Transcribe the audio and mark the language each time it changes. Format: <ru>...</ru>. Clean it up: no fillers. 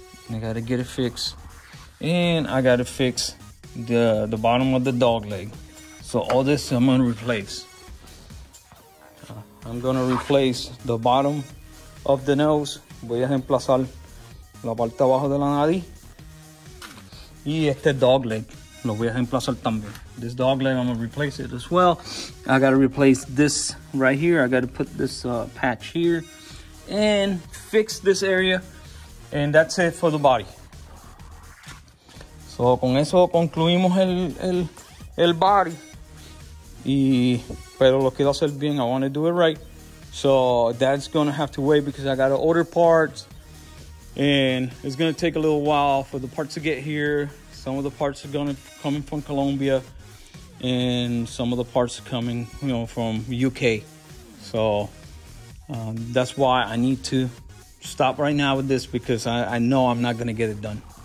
<en>I gotta get it fixed. And I gotta fix the bottom of the dog leg. So all this I'm gonna replace. I'm gonna replace the bottom of the nose.</en> <es>Voy a reemplazar la parte abajo de la nariz. Y este dog leg lo voy a reemplazar también.</es> <en>This dog leg, I'm gonna replace it as well. I gotta replace this right here. I gotta put this patch here and fix this area. And that's it for the body.</en> <es>So con eso concluimos el body. Pero lo quiero hacer bien,</es> <en>I wanna do it right. So that's gonna have to wait because I gotta order parts. And it's gonna take a little while for the parts to get here. Some of the parts are gonna come from Colombia. And some of the parts are coming, you know, from UK. So that's why I need to stop right now with this because I know I'm not gonna get it done.</en>